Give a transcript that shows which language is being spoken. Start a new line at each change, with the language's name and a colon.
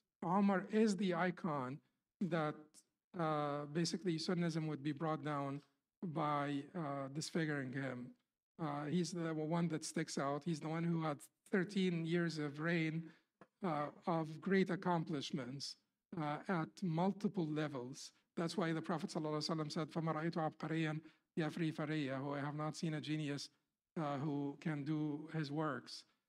English: Omar is the icon that basically Sunnism would be brought down by disfiguring him. He's the one that sticks out. He's the one who had 13 years of reign of great accomplishments at multiple levels. That's why the Prophet ﷺ said,
Arabic: "فَمَا رَأَيْتُ عَبْقَرِيًا يَفْرِي فَرِيَّهُ."
English: I have not seen a genius who can do his works.